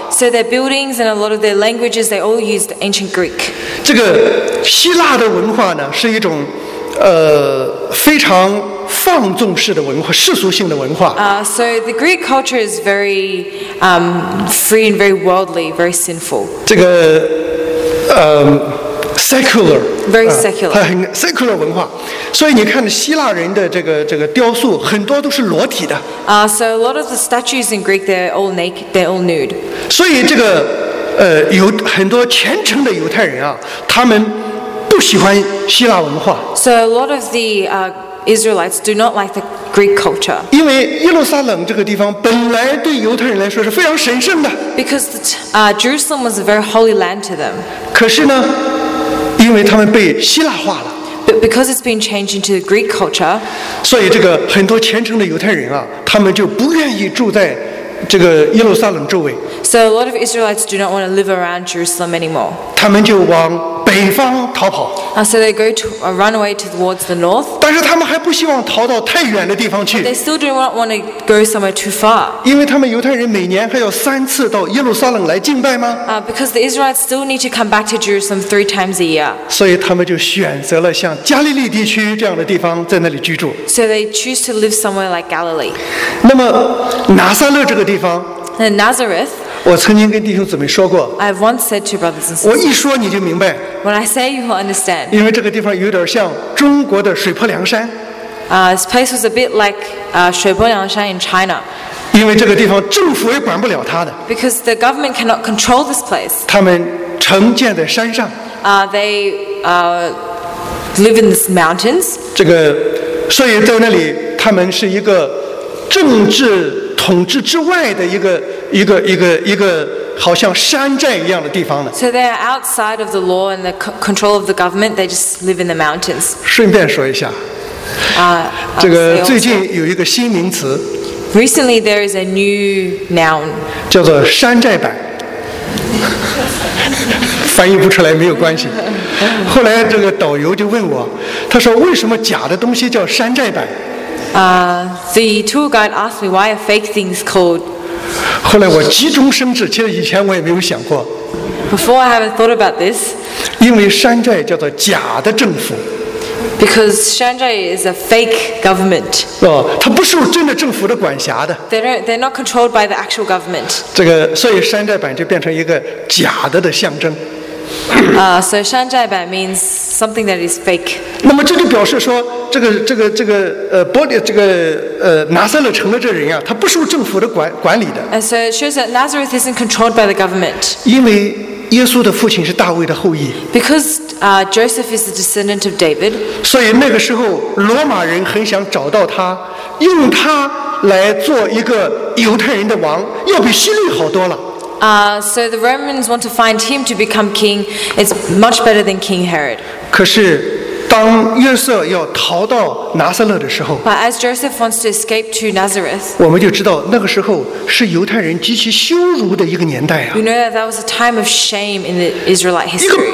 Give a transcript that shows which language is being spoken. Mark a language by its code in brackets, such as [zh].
[en] so their buildings and a lot of their languages they all used ancient Greek [zh] 这个希腊的文化呢是一种非常放纵式的文化世俗性的文化 [en] so the Greek culture is very free and very worldly very sinful [zh] 这个secular [en] very secular [zh] 很 secular 文化所以你看希腊人的这个雕塑很多都是裸体的 [en] so a lot of the statues in Greek they're all naked they're all nude [zh] 所以这个有很多虔诚的犹太人啊他们不喜欢希腊文化。 [en] So a lot of the Israelites do not like the Greek culture. [zh] 因为耶路撒冷这个地方本来对犹太人来说是非常神圣的。 [en] Because Jerusalem was a very holy land to them. [zh] 可是呢，因为他们被希腊化了。 [en] But because it's been changed into the Greek culture, [zh] 所以这个很多虔诚的犹太人啊，他们就不愿意住在这个耶路撒冷周围。 [en] So a lot of Israelites do not want to live around Jerusalem anymore. [zh] 他们就往北方逃跑。 [en] So they go to run away towards the north. [zh] 但是他们还不希望逃到太远的地方去。 [en] But they still do not want to go somewhere too far. [zh] 因为他们犹太人每年还要三次到耶路撒冷来敬拜吗？ [en] Because the Israelites still need to come back to Jerusalem three times a year. [zh] 所以他们就选择了像加利利地区这样的地方，在那里居住。 [en] So they choose to live somewhere like Galilee. [zh] 那么拿撒勒这个地方。 [en] The Nazareth. [zh] 我曾经跟弟兄姊妹说过 [en] I've once said to brothers and sisters, [zh] 我一说你就明白 [en] When I say you will understand [zh] 因为这个地方有点像中国的水泊梁山 [en] This place was a bit like 水泊梁山 in China [zh] 因为这个地方政府也管不了它的 [en] Because the government cannot control this place [zh] 他们城建在山上 [en] They live in these mountains [zh] 这个所以在那里他们是一个政治统治之外的一个好像山寨一样的地方呢。 [en] So they are outside of the law and the control of the government. They just live in the mountains. [zh] 顺便说一下，这个最近有一个新名词。 [en] Recently, there is a new noun. [zh] 叫做山寨版。翻译不出来没有关系。后来这个导游就问我，他说为什么假的东西叫山寨版？ [en] The tour guide asked me why a fake thing is called. [zh] 后来我急中生智，其实以前我也没有想过。 [en] Before I haven't thought about this. [zh] 因为山寨叫做假的政府。 [en] Because 山寨 is a fake government. [zh] 哦，它不受真的政府的管辖的。 [en] They're not controlled by the actual government. [zh] 这个，所以山寨版就变成一个假的象征。 [en] So 山寨版 means something that is fake. [zh] 那么这就表示说，这个波利这个拿撒勒城的这人呀、啊，他不受政府的管理的。 [en] And so it shows that Nazareth isn't controlled by the government. [zh] 因为耶稣的父亲是大卫的后裔。 [en] Because Joseph is the descendant of David. [zh] 所以那个时候，罗马人很想找到他，用他来做一个犹太人的王，要比希律好多了。 [en] So the Romans want to find him to become king. It's much better than King Herod. [zh] 可是，当约瑟要逃到拿撒勒的时候 [en] ，But as Joseph wants to escape to Nazareth, [zh] 我们就知道那个时候是犹太人极其羞辱的一个年代啊。 [en] You know that that was a time of shame in the Israelite history.